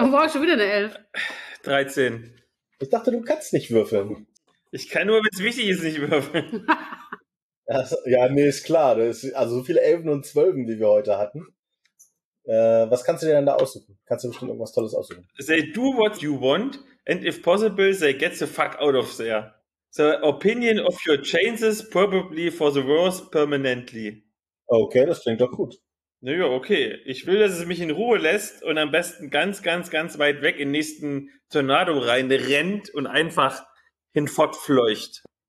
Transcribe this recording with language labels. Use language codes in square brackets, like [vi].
[de] Und brauchst du schon wieder eine 11? 13. Ich dachte, du kannst nicht würfeln. Ich kann nur, wenn es wichtig ist, nicht würfeln. Ja, nee, ist klar. Das ist, also so viele Elfen und Zwölfen, die wir heute hatten. Was kannst du dir denn da aussuchen? Kannst du bestimmt irgendwas Tolles aussuchen? [en] Say do what you want, and if possible, say get the fuck out of there. The opinion of your chances probably for the worse permanently. [de] Okay, das klingt doch gut. Naja, okay. Ich will, dass es mich in Ruhe lässt und am besten ganz, ganz, ganz weit weg in den nächsten Tornado rein rennt und einfach hinfortfleucht.